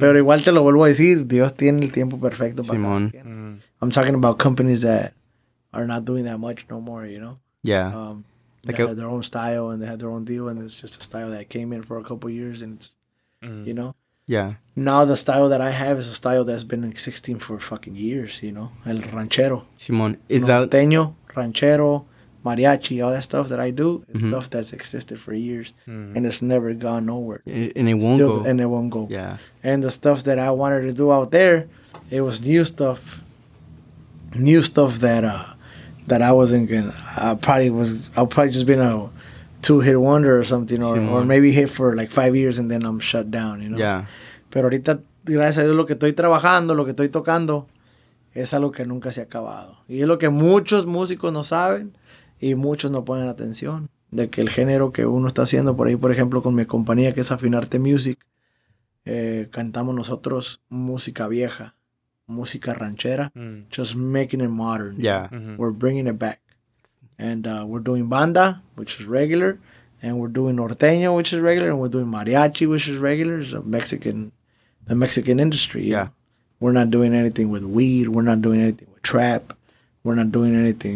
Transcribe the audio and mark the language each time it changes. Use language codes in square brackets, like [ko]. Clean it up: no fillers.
[es] Pero igual te lo vuelvo a decir, Dios tiene el tiempo perfecto. Simón. Mm. [en] I'm talking about companies that are not doing that much no more, you know? Yeah. Like they had their own style and they had their own deal, and it's just a style that came in for a couple of years, and it's, you know? Yeah. Now the style that I have is a style that's been existing for fucking years, you know? [es] El ranchero. Simón, [en] norteño, ranchero, mariachi, all that stuff that I do, is stuff that's existed for years, and it's never gone nowhere. And it won't go. And it won't go. Yeah. And the stuff that I wanted to do out there, it was new stuff that, that I wasn't gonna, I'll probably just been a two-hit wonder or something, or maybe hit for like 5 years and then I'm shut down, you know? Yeah. [es] Pero ahorita, gracias a Dios, lo que estoy trabajando, lo que estoy tocando, es algo que nunca se ha acabado. Y es lo que muchos músicos no saben y muchos no ponen atención, de que el género que uno está haciendo, por ahí, por ejemplo, con mi compañía que es Afinarte Music, cantamos nosotros música vieja. Música ranchera, [en] just making it modern. Yeah, we're bringing it back, and we're doing banda, which is regular, and we're doing norteño, which is regular, and we're doing mariachi, which is regular. It's a Mexican, the Mexican industry. Yeah, we're not doing anything with weed. We're not doing anything with trap. We're not doing anything.